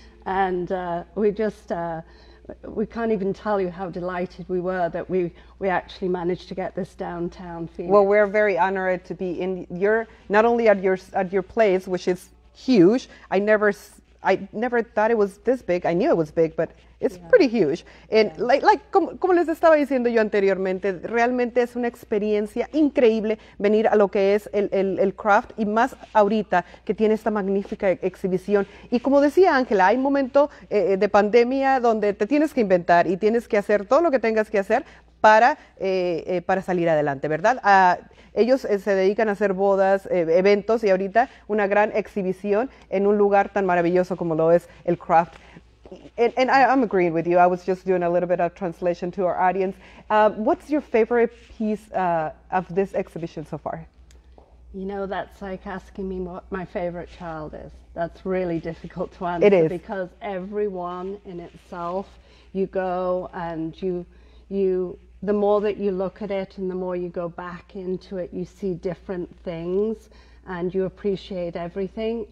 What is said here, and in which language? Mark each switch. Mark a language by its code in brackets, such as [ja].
[en] And we can't even tell you how delighted we were that we actually managed to get this downtown Phoenix. Well, we're very honored to be in your, not only at your place, which is huge. I never thought it was this big. I knew it was big, but it's yeah. pretty huge. And yeah. [es] like como les estaba diciendo yo anteriormente, realmente es una experiencia increíble venir a lo que es el craft, y más ahorita que tiene esta magnífica exhibición. Y como decía Ángela, hay momento de pandemia donde te tienes que inventar y tienes que hacer todo lo que tengas que hacer para salir adelante, ¿verdad? Ellos se dedican a hacer bodas, eventos, y ahorita una gran exhibición en un lugar tan maravilloso como lo es el craft. [en] And I'm agreeing with you. I was just doing a little bit of translation to our audience. What's your favorite piece of this exhibition so far? You know, that's like asking me what my favorite child is. That's really difficult to answer. It is. Because everyone in itself, you go and you the more that you look at it and the more you go back into it, you see different things and you appreciate everything.